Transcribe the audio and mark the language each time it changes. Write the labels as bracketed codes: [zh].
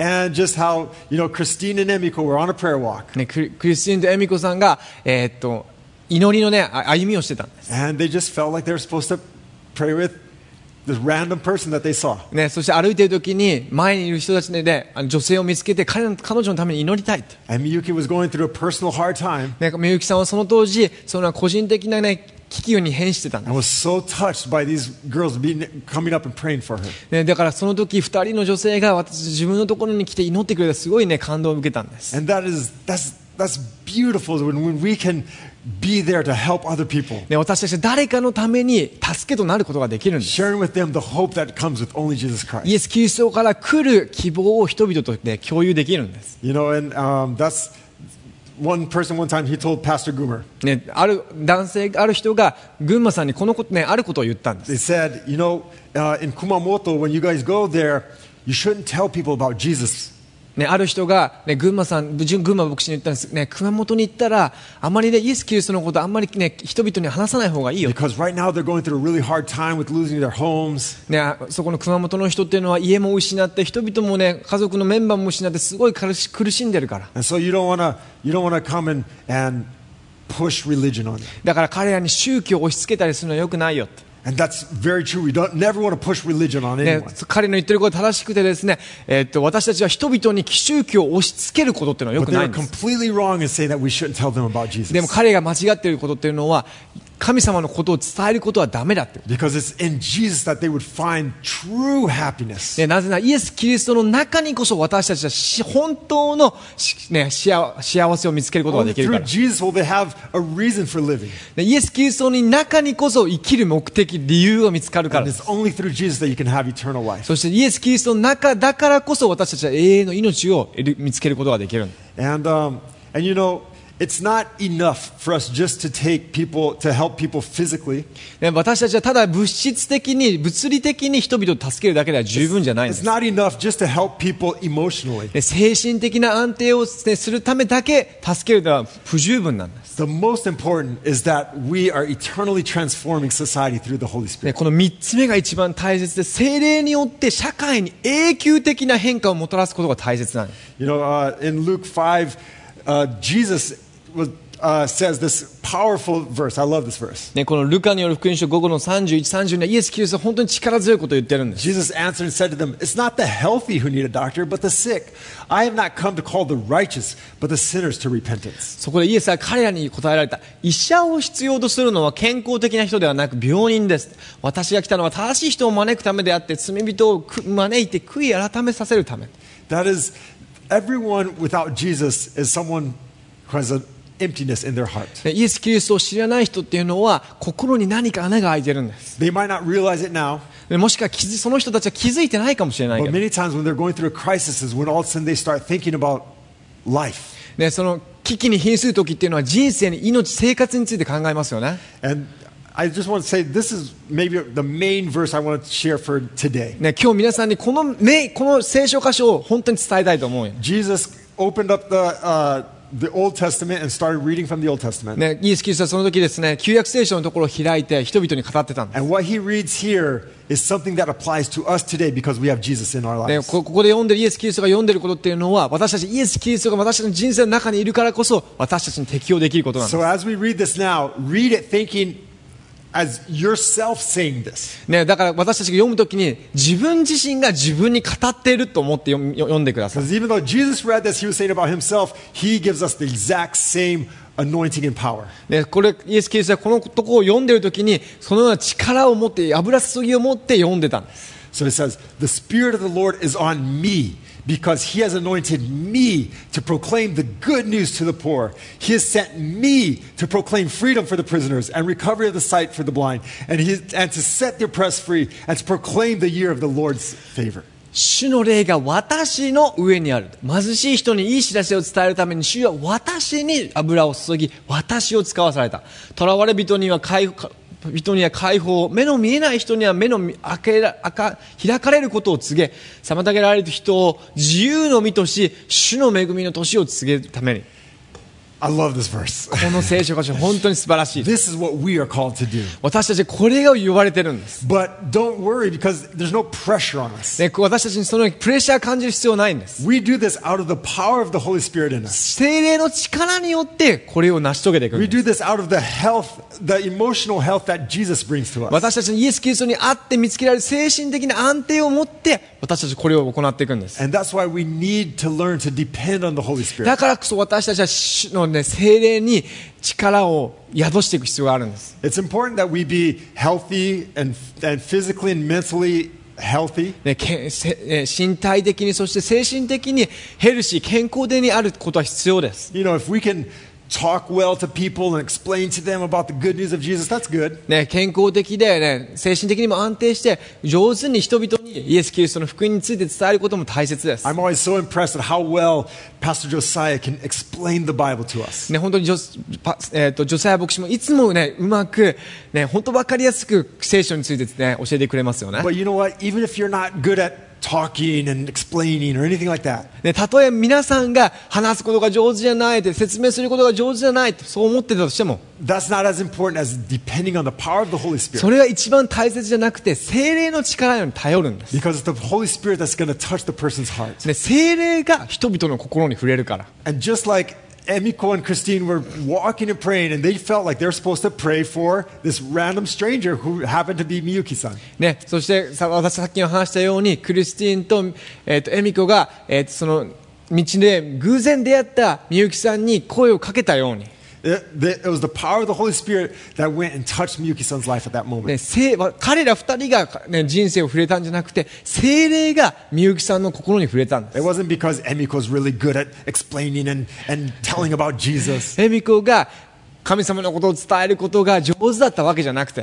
[en] And just how, you know, Christine and Emiko were on a prayer walk. [ja] ね、クリスティーンとエミコさんが、祈りのね、歩みをしてたんです。 [en] And they just felt like they were supposed to pray with this random person that they saw. [ja] ね、そして歩いてる時に前にいる人たちで、ね、女性を見つけて彼女のために祈りたいと。 [en] And Miyuki was going through a personal hard time. [ja] ね、みゆきさんはその当時、その個人的なね、危機に変してたんです。 [en] I was so touched by these girls coming up and praying for her. [ja] ね、だからその時2人の女性が私自分のところに来て祈ってくれてすごいね感動を受けたんです。 [en] And that is that's beautiful when we can be there to help other people. [ja] ね、私たち誰かのために助けとなることができるんです。 [en] Sharing with them the hope that comes with only Jesus Christ. [ja] イエス・キリストから来る希望を人々とね共有できるんです。 [en] You know, and that's. One person, one time, he told Pastor Gumer. [ja] ね、ある男性、ある人が群馬さんにこのことね、あることを言ったんです。 [en] They said, you know, in Kumamoto, when you guys go there, you shouldn't tell people about Jesus. [ja] ね、ある人がね、群馬さん、群馬牧師に言ったんです。ね、熊本に行ったら、あまりね、イエス・キリストのことあんまりね、人々に話さない方がいいよ。 [en] Because right now they're going through a really hard time with losing their homes. [ja] ね、そこの熊本の人っていうのは家も失って、人々もね、家族のメンバーも失って、すごい苦しんでるから。 [en] And so you don't want to come and push religion on them. [ja] だから彼らに宗教を押し付けたりするのは良くないよ。 [en] And that's very true. We don't never want to push religion on anyone. [ja] ね、彼の言ってることが正しくてですね、私たちは人々に宗教を押し付けることっていうのは良くないんです。 [en] But they're completely wrong in saying that we shouldn't tell them about Jesus. [ja] でも彼が間違っていることっていうのは、神様のことを伝えることはダメだって。 [en] Because it's in Jesus that they would find true happiness. [ja] ね、なぜならイエス・キリストの中にこそ私たちは本当の、ね、幸せを見つけることができるから。 [en] Only through Jesus will they have a reason for living. [ja] ね、イエス・キリストの中にこそ生きる目的、理由が見つかるから。 [en] And it's only through Jesus that you can have eternal life. [ja] そしてイエス・キリストの中だからこそ私たちは永遠の命を見つけることができる。 [en] And you know,It's not enough for us just to take people to help people physically. [ja] 私たちはただ物質的に物理的に人々を助けるだけでは十分じゃないんです。 [en] It's not enough just to help people emotionally. [ja] 精神的な安定をするためだけ助けるのは不十分なんです。 [en] The most important is that we are eternally transforming society through the Holy Spirit. [ja] この3つ目が一番大切で、聖霊によって社会に永久的な変化をもたらすことが大切なんです。 [en] You know, in Luke 5, Jesus was says this powerful verse. I love this verse. [ja] ね、このルカによる福音書5の31、32にイエス・キリストは本当に力強いことを言ってるんです。 [en] Jesus answered and said to them, It's not the healthy who need a doctor, but the sick. I have not come to call the righteous, but the sinners to repentance. [ja] そこでイエスは彼らに答えられた。医者を必要とするのは健康的な人ではなく病人です。私が来たのは正しい人を招くためであって、罪人を招いて悔い改めさせるため。 [en] That is, everyone without Jesus is someone who has aEmptiness in their heart. [ja] イエス・キリストを知らない人っていうのは心に何か穴が開いてるんです。 [en] They might not realize it now. [ja] もしかしその人たちは気づいてないかもしれないけど。 [en] But many times when they're going through a crisis is when all of a sudden they start thinking about life. [ja] ね、その危機に瀕する時っていうのは人生に命、生活について考えますよね。 [en] And I just want to say this is maybe the main verse I want to share for today. [ja] ね、今日皆さんにこの聖書箇所を本当に伝えたいと思うよ。 [en] Jesus opened up the Old Testament and started reading from the Old Testament. [ja] ね、イエス・キリストはその時ですね、旧約聖書のところを開いて人々に語ってたんです。 [en] And what he reads here is something that applies to us today because we have Jesus in our lives. [ja] ね、ここで読んでるイエス・キリストが読んでることっていうのは、私たちイエス・キリストが私たちの人生の中にいるからこそ、私たちに適用できることなんです。 [en] So as we read this now, read it thinking as yourself saying this. [ja] ね、だから私たちが読むときに、自分自身が自分に語っていると思って読んでください。 [en] Because even though Jesus read this, he was saying about himself, he gives us the exact same anointing and power. [ja] ね、これイエス・キリストはこのとこを読んでるときに、そのような力を持って、油注ぎを持って読んでたんです。 [en] So it says, the Spirit of the Lord is on me. Because he has anointed me to proclaim the good news to the poor. He has sent me to proclaim freedom for the prisoners and recovery of the sight for the blind and to set the oppressed free and to proclaim the year of the Lord's favor. [ja] 主の霊が私の上にある。貧しい人にいい知らせを伝えるために主は私に油を注ぎ、私を使わされた。囚われ人には解放、人には解放、目の見えない人には目の開かれることを告げ、妨げられる人を自由の身とし、主の恵みの年を告げるために。 [en] I love this verse. [ja] この聖書箇所本当に素晴らしい。 [en] This is what we are called to do. [ja] 私たちこれが呼ばれてるんです。 [en] But don't worry because there's no pressure on us. [ja] 私たちにそのプレッシャー感じる必要ないんです。 [en] We do this out of the power of the Holy Spirit in us. [ja] 聖霊の力によってこれを成し遂げていくんです。 [en] We do this out of the health, the emotional health that Jesus brings to us. [ja] 私たちにイエス・キリストにあって見つけられる精神的な安定を持って私たちこれを行っていくんです。 [en] And that's why we need to learn to depend on the Holy Spirit. [ja] だからこそ私たちは主の聖霊に力を宿していく必要があるんです。 [en] It's important that we be healthy and physically and mentally healthy. [ja] 身体的にそして精神的にヘルシー、健康でにあることは必要です。 [en] You know, if we can talk well to people and explain to them about the good news of Jesus, that's good. [ja] 健康的で精神的にも安定して上手に人々にイエス・キリストの福音について伝えることも大切です。 [en] I'm always so impressed at how well Pastor Josiah can explain the Bible to us. [ja] 本当にジョサイア牧師もいつもうまく本当分かりやすく聖書について教えてくれますよね。 [en] But you know what? Even if you're not good at talking and explaining or anything like that. [ja] ね、たとえ皆さんが話すことが上手じゃないって説明することが上手じゃないってそう思ってたとしても、 [en] That's not as important as depending on the power of the Holy Spirit. [ja] それが一番大切じゃなくて聖霊の力に頼るんです。 [en] Because it's the Holy Spirit that's going to touch the person's heart. [ja] ね、聖霊が人々の心に触れるから。 [en] And just like Emiko and Christine were walking and praying, and they felt like they're supposed to pray for this random stranger who happened to be Miyuki-san. [ja] ね、そして私さっきの話したように、クリスティンと、エミコが、その道で偶然出会ったみゆきさんに声をかけたように。 [en] It was the power of the Holy Spirit that went and touched Miyuki-san's life at that moment. [ja] 彼ら二人が、ね、人生を触れたんじゃなくて、聖霊がみゆきさんの心に触れたんです。 [en] It wasn't because Emiko's really good at explaining and telling about Jesus. [ja] Emiko が神様のことを伝えることが上手だったわけじゃなくて、